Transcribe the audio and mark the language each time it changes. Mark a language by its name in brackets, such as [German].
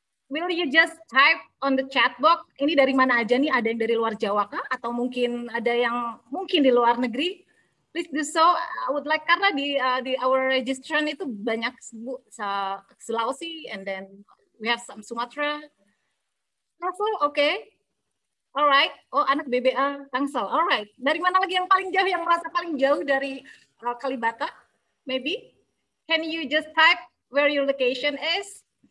[English] Will you just type on the chat box? [Indonesian] Ini dari mana aja nih? Ada yang dari luar Jawa kah? Atau mungkin ada yang mungkin di luar negeri? [English] Please do so. I would like, [Indonesian] karena di [English] our registration [Indonesian] itu banyak [English] Sulawesi, and then we have some Sumatera. Also, okay. Alright. Oh, anak BBA Tangsel. Alright. [Indonesian] Dari mana lagi yang paling jauh, yang merasa paling jauh dari Kalibata? [English] Maybe. Can you just type where your location is?